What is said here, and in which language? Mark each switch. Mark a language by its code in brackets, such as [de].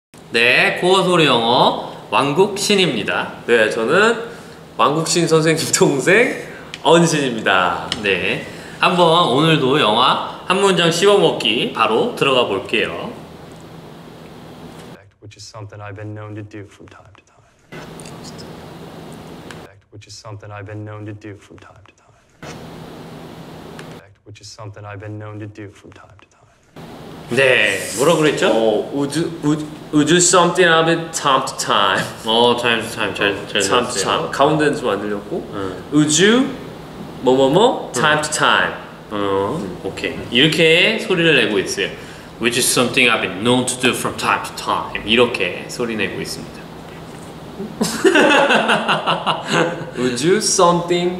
[ko] 네, 고어소리 영어 왕국신입니다. 네, 저는 왕국신 선생님 동생 언신입니다. 네, 한번 오늘도 영화 한 문장 씹어먹기 바로 들어가 볼게요. [en] Which is something I've been known to do from time to time. Which is something I've been known to do from time to time. Which is something I've been known to do from time to time. [ko] 네, 뭐라고 그랬죠? [en] 우주 something I've been time to time. 어, time to time, 잘 time to time. [ko] 가운데는 좀 안 들렸고, 우주 뭐뭐뭐 [en] time to time. [ko] 오케이, 이렇게 소리를 내고 있어요. [en] Which is something I've been known to do from time to time. [ko] 이렇게 소리 내고 있습니다. [en] 우주 something